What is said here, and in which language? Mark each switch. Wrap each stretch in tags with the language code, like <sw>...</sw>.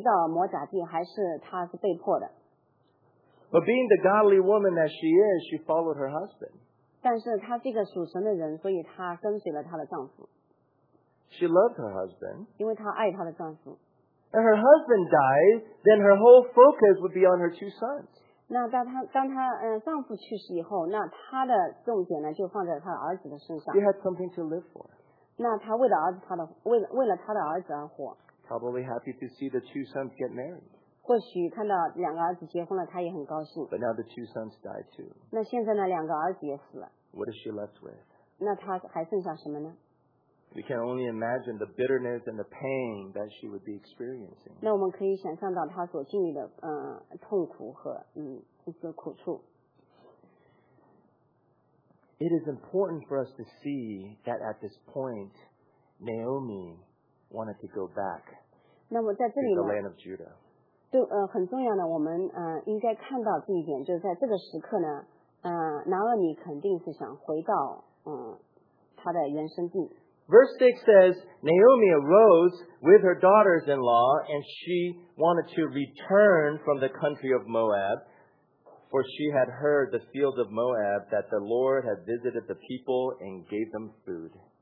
<zh>我们不知道起初的时候是她自愿的和她的丈夫一起迁移到摩甲地还是她是被迫的。</zh> <en>But being the godly woman that she is, she followed her husband.</en> <zh>但是她是一个属神的人,所以她跟随了她的丈夫。</zh> <en>She loved her husband.</en> <zh>因为她爱她的丈夫。</zh> <en>And her husband died, then her whole focus would be on her two sons.</en> <zh>那当她丈夫去世以后,那她的重点呢,就放在她儿子的身上。</zh> <en>She had something to live for.</en> <zh>那她为了她的儿子而活。</zh> <en>Probably happy to see the two sons get married.</en> <zh>或许看到两个儿子结婚了，他也很高兴。</zh> <en>But now the two sons die too.</en> <zh>那现在呢，两个儿子也死了。</zh> <en>What is she left with?</en> <zh>那她还剩下什么呢？</zh> <en>We can only imagine the bitterness and the pain that she would be experiencing.</en> <zh>那我们可以想象到她所经历的痛苦和一个苦处。</zh> <en>It is important for us to see that at this point, Naomi wanted to go back</en> <zh>那么在这里呢,</zh> <en>to the land of Judah.</en> <zh>对，很重要的，我们应该看到这一点，就是在这个时刻呢，拿俄米肯定是想回到她的原生地。</zh> <en>Verse 6 says, Naomi arose with her daughters-in-law, and she wanted to return from the country of Moab, for she had heard the field of Moab that the Lord had visited the people and gave them food.</en>